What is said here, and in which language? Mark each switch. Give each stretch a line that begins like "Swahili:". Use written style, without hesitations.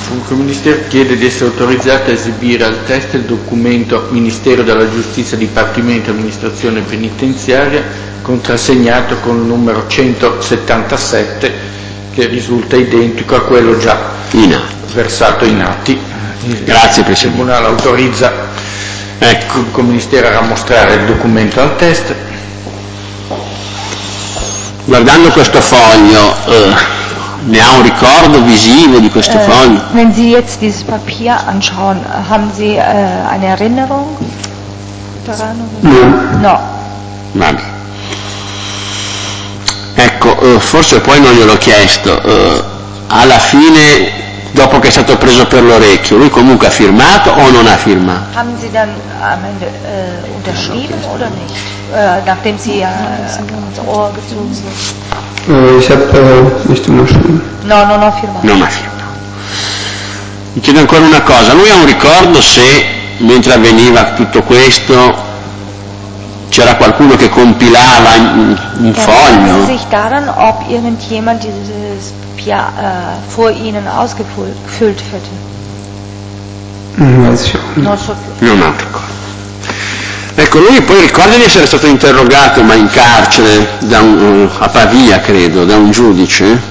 Italian: Il Ministero chiede di essere autorizzato a esibire al test il documento Ministero della Giustizia, Dipartimento Amministrazione Penitenziaria, contrassegnato con il numero 177, che risulta identico a quello già versato in atti. Grazie Presidente. Il Tribunale autorizza, ecco, il Ministero a mostrare il documento al test. Guardando questo foglio, ne ha un ricordo visivo di questo foglio?
German: Wenn Sie jetzt dieses Papier anschauen, haben Sie eine Erinnerung daran?
Italian: No. Vabbè. Ecco, forse poi non glielo ho chiesto. Alla fine, dopo che è stato preso per l'orecchio, lui comunque ha firmato o non ha firmato?
German: Haben Sie dann am Ende unterschrieben oder nicht? Nachdem Sie ans Ohr gezogen sind. Ich habe nicht unterschrieben.
Italian: No, non ho firmato. Non ha firmato. Mi chiedo ancora una cosa. Lui ha un ricordo se, mentre avveniva tutto questo, c'era qualcuno che compilava un foglio?
German: Erinnert sich daran, ob irgendjemand dieses Papier vor Ihnen ausgefüllt hätte?
Italian: Non ho ricordo. Ecco, lui poi ricorda di essere stato interrogato, ma in carcere, a Pavia, credo, da un giudice?